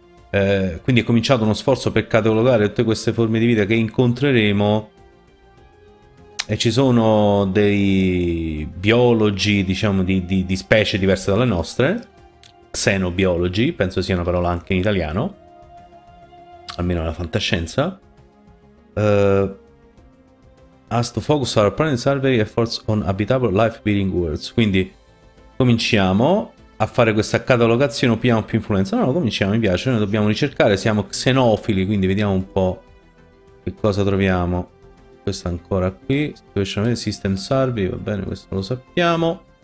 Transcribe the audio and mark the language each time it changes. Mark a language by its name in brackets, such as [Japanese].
[Italian] Quindi è cominciato uno sforzo per catalogare tutte queste forme di vita che incontreremo, e ci sono dei biologi, diciamo, di specie diverse dalle nostre. Xenobiologi, penso sia una parola anche in italiano, almeno nella fantascienza. [English] As to focus our planet survey efforts on habitable life-bearing worlds. [Italian] Quindi cominciamo a fare questa catalogazione. Abbiamo più influenza? No, cominciamo, mi piace. Noi dobbiamo ricercare, siamo xenofili, quindi vediamo un po' che cosa troviamo. Questo ancora qui, [English] special system survey, [Italian] va bene, questo lo sappiamo.